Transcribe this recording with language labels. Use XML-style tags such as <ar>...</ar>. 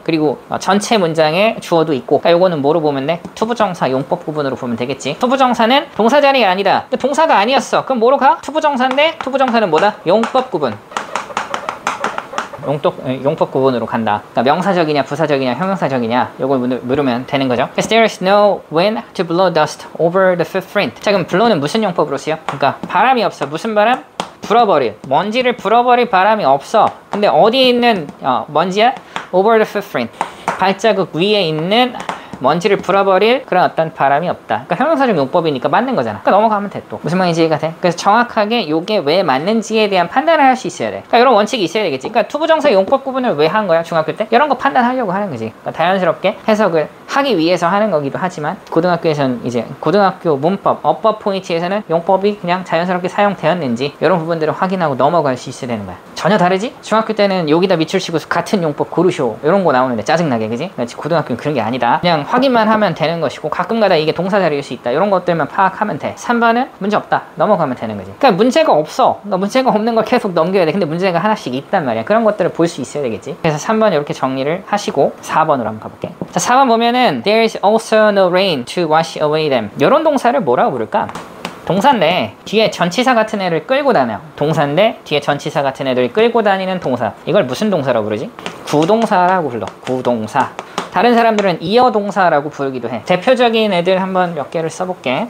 <ko>그리고 전체 문장에 주어도 있고 그러니까 요거는 뭐로 보면 돼? 투부정사 용법 구분으로 보면 되겠지. 투부정사는 동사 자리가 아니다. 근데 동사가 아니었어. 그럼 뭐로 가? 투부정사인데 투부정사는 뭐다? 용법 구분. 용법 구분으로 간다. 그러니까 명사적이냐 부사적이냐 형용사적이냐 요걸 물으면 되는 거죠.</ko> <en>There is no wind to blow dust over the footprint.</en> <ko>자 그럼 blow는 무슨 용법으로 쓰여? 그러니까 바람이 없어. 무슨 바람? 불어버릴 먼지를 불어버릴 바람이 없어. 근데 어디에 있는 먼지야?</ko> <en>Over the footprint</en> <ko>발자국 위에 있는 먼지를 불어버릴 그런 어떤 바람이 없다. 그러니까 형용사적 용법이니까 맞는 거잖아. 그러니까 넘어가면 돼 또. 무슨 말인지 이해가 돼? 그래서 정확하게 이게 왜 맞는지에 대한 판단을 할 수 있어야 돼. 그러니까 이런 원칙이 있어야 되겠지. 그러니까 투부정사의 용법 구분을 왜 한 거야 중학교 때? 이런 거 판단하려고 하는 거지. 그러니까 자연스럽게 해석을 하기 위해서 하는 거기도 하지만 고등학교에서는 이제 고등학교 문법 어법 포인트에서는 용법이 그냥 자연스럽게 사용되었는지 이런 부분들을 확인하고 넘어갈 수 있어야 되는 거야. 전혀 다르지? 중학교 때는 여기다 밑줄 치고 같은 용법 고르쇼 이런 거 나오는데 짜증나게 그지? 고등학교는 그런 게 아니다. 그냥 확인만 하면 되는 것이고 가끔가다 이게 동사 자리일 수 있다 이런 것들만 파악하면 돼. 3번은 문제 없다 넘어가면 되는 거지. 그러니까 문제가 없어. 그러니까 문제가 없는 걸 계속 넘겨야 돼. 근데 문제가 하나씩 있단 말이야. 그런 것들을 볼 수 있어야 되겠지. 그래서 3번 이렇게 정리를 하시고 4번으로 한번 가볼게. 자 4번 보면은</ko> <en>There is also no rain to wash away them.</en> <ko>이런 동사를 뭐라고 부를까? 동사인데 뒤에 전치사 같은 애를 끌고 다녀. 동사인데 뒤에 전치사 같은 애들 끌고 다니는 동사. 이걸 무슨 동사라고 부르지? 구동사라고 불러. 구동사. 다른 사람들은 이어동사라고 부르기도 해. 대표적인 애들 한번 몇 개를 써볼게.</ko>